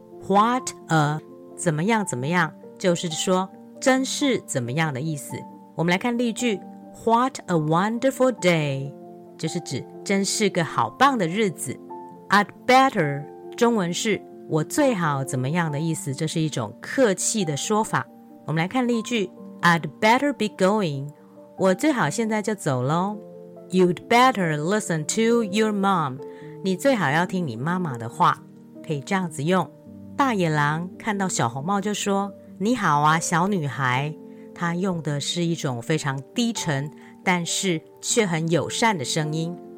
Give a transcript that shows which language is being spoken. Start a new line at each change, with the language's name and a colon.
English: What a
Chinese: 怎么样怎么样，就是说真是怎么样的意思。我们来看例句。
English: What a wonderful day，
Chinese: 就是指真是个好棒的日子。
English: I'd better，
Chinese: 中文是我最好怎么样的意思，这是一种客气的说法。我们来看例句。
English: I'd better be going，
Chinese: 我最好现在就走咯。
English: You'd better listen to your mom，
Chinese: 你最好要听你妈妈的话，可以这样子用。大野狼看到小红帽就说，你好啊小女孩，他用的是一种非常低沉但是却很友善的声音。